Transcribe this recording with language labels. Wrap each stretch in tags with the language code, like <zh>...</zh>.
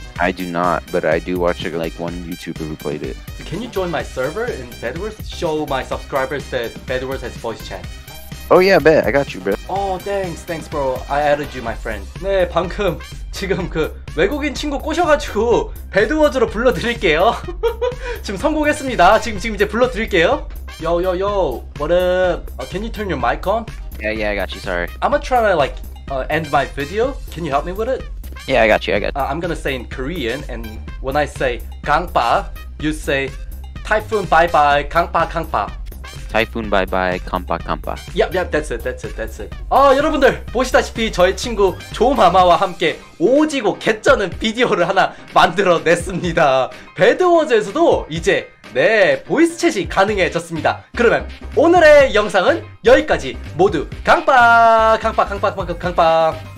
<en>I do not, but I do watch like one YouTuber who played it. So can you join my server in Bedwars? Show my subscribers that Bedwars has voice chat. Oh yeah, bet. I got you, bro. Oh, thanks, bro. I added you, my friend.</en> <ko>네, 방금 지금 그 외국인 친구 꼬셔가지고 배드워즈로 불러드릴게요. 지금 성공했습니다. 지금 이제 불러드릴게요.</ko> <en>Yo, what up? Can you turn your mic on? Yeah, I got you, sorry. I'm gonna try to like end my video. Can you help me with it? Yeah, I got you. I'm gonna say in Korean, and when I say 강파, you say typhoon bye bye, 강파 강파. Typhoon bye bye, 강파 강파. Yep, that's it.</en> <ko>아, 여러분들 보시다시피 저의 친구 조마마와 함께 오지고 개쩌는 비디오를 하나 만들어냈습니다. 배드워즈에서도 이제 네, 보이스챗이 가능해졌습니다. 그러면 오늘의 영상은 여기까지. 모두 강파 강파 강파 강파 강파.</ko>